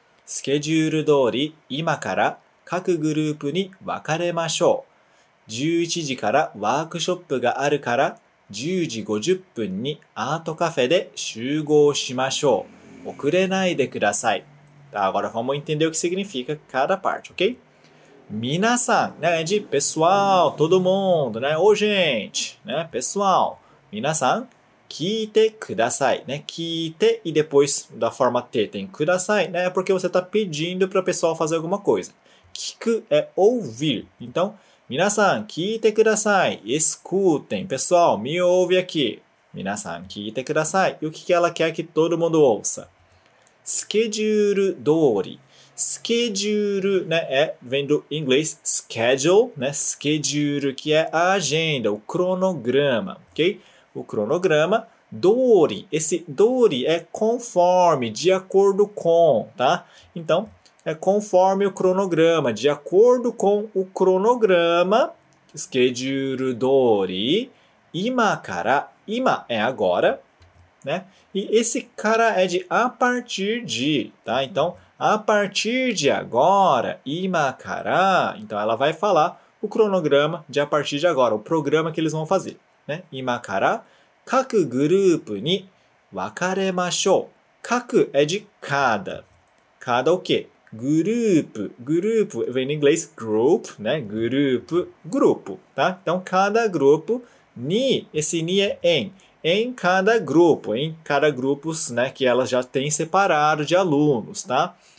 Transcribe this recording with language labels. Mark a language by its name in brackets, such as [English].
[Japanese] スケジュール通り今から各グループに分かれましょう。 11時からワークショップがあるから10時50分にアートカフェで集合しましょう。遅れないでください。 [Portuguese] Agora vamos entender o que significa cada parte, ok? [Japanese] 皆さん、ね、 [Portuguese] de pessoal, todo mundo, né? Ô, gente, né? Pessoal, [Japanese] 皆さん。聞いてください、né? 聞いて、 [Portuguese] e depois da forma T tem [Japanese] ください、 [Portuguese] né? É porque você está pedindo para o pessoal fazer alguma coisa. [Japanese] 聞く [Portuguese] é ouvir. Então, [Japanese] 皆さん聞いてください。 [Portuguese] Escutem. Pessoal, me ouve aqui. [Japanese] 皆さん聞いてください。 [Portuguese] E o que ela quer que todo mundo ouça? [Japanese] Schedule 通り. [Portuguese] Schedule, né? É, vem do inglês schedule, né? Schedule, que é a agenda, o cronograma, ok? O cronograma, dori, esse dori é conforme, de acordo com, tá? Então, é conforme o cronograma, de acordo com o cronograma, [Japanese] schedule dori, ima kara, [Portuguese] ima é agora, né? E esse kara é de a partir de, tá? Então, a partir de agora, [Japanese] ima kara, [Portuguese] então ela vai falar o cronograma de a partir de agora, o programa que eles vão fazer. Né? [Japanese] 今から各グループに分かれましょう。 [Portuguese] 各 é de cada. Cada o quê? Grupo. Grupo vem em inglês group, né? Grupo. Grupo, tá? Então, cada grupo, ni, esse ni é em. Em cada grupo, em cada grupo, né, que ela já tem separado de alunos, tá?